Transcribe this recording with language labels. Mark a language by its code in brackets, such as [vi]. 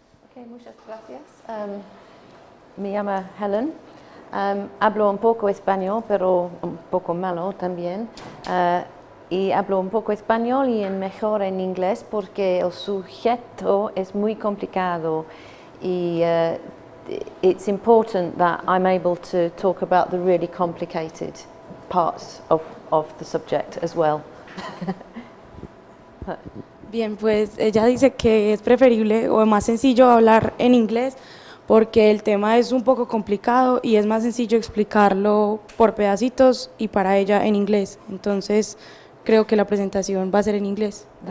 [es] Okay, muchas gracias. Me llamo Helen. Hablo un poco español, pero un poco malo también. Y hablo un poco español y mejor en inglés porque el sujeto es muy complicado y [en] it's important that I'm able to talk about the really complicated parts of the subject as well. [es] Bien, pues ella dice que es preferible o más sencillo hablar en inglés porque el tema es un poco complicado y es más sencillo explicarlo por pedacitos y para ella en inglés. Entonces, creo que la presentación va a ser en inglés.